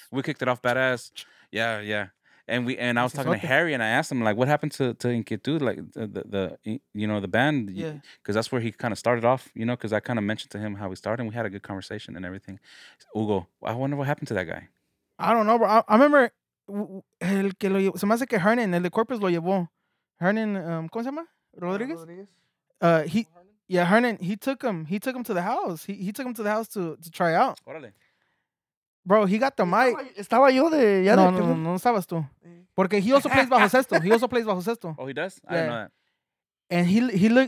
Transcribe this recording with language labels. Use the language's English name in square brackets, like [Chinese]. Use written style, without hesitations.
[English] We kicked it off badass. Yeah, yeah. And I was talking to Harry, and I asked him, like, what happened to Inquietud, like, the you know, the band? Yeah. Because that's where he kind of started off, you know, because I kind of mentioned to him how we started, and we had a good conversation and everything. Hugo, I wonder what happened to that guy. I don't know, bro. [Spanish] I remember, el que lo llevó, se me hace que Hernan, el de Corpus, lo llevó. Hernan, ¿cómo se llama? Rodriguez? [English] Hernan, he took him to the house. He took him to the house to try out. [Spanish] Órale. [English] Bro, he got the mic. [Spanish] Estaba yo de... Ya no, no, no, no estabas tú. Porque [English] he also plays bajo sexto. [Spanish] He also plays bajo sexto. [English] Oh, he does? Yeah. I didn't know that.